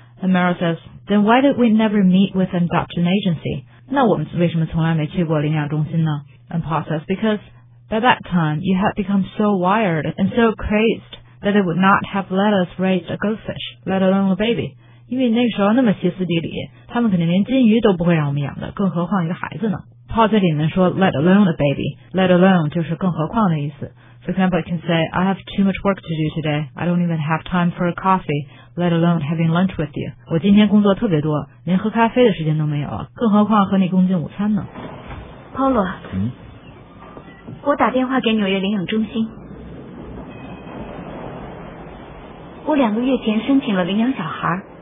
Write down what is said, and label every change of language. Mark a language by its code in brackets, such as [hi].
[en] And Mel says Then why did we never meet with an adoption agency？ [zh] 那我们为什么从来没去过领养中心呢？ [en] And Paul says Because by that time you had become so wired and so crazedthat they would not have let us raise a goldfish, let alone a baby. [zh] 因为那个时候那么歇斯底里，他们肯定连金鱼都不会让我们养的，更何况一个孩子呢。 Paul 在里面说 [en] let alone a baby, let alone [zh] 就是更何况的意思。 [en] For example, I can say, I have too much work to do today. I don't even have time for a coffee, let alone having lunch with you. [zh] 我今天工作特别多，连喝咖啡的时间都没有，更何况和你共进午餐呢。 Paulo,、我打电话给纽约领养中心。我两个月前申请了领养小孩。